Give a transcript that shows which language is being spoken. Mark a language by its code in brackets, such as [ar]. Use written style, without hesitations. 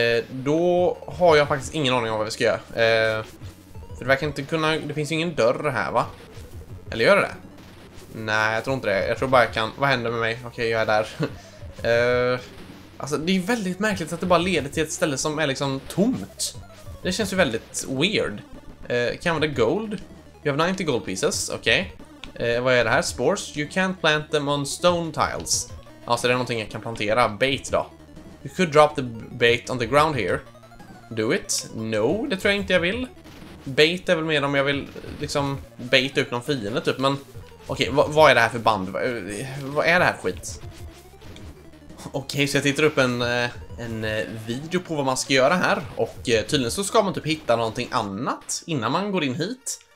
[sv] Då har jag faktiskt ingen aning om vad vi ska göra. För det verkar inte kunna, det finns ju ingen dörr här, va? Eller gör det? Nej, jag tror inte det. Jag tror bara jag kan, vad händer med mig? Okej, jag är där. Alltså, det är väldigt märkligt att det bara leder till ett ställe som är liksom tomt. Det känns ju väldigt weird. Kan jag använda gold? [en] You have 90 gold pieces, [sv] okej. Vad är det här? Spores? [en] You can't plant them on stone tiles. [sv] Alltså, det är någonting jag kan plantera. Bait då. [en] You could drop the bait on the ground here. Do it? [sv] No, det tror jag inte jag vill. Bait är väl mer om jag vill liksom baita ut någon fiende typ, men... Okej, vad är det här för band? Vad är det här skit? Okej, så jag tittar upp en video på vad man ska göra här. Och tydligen så ska man typ hitta någonting annat innan man går in hit.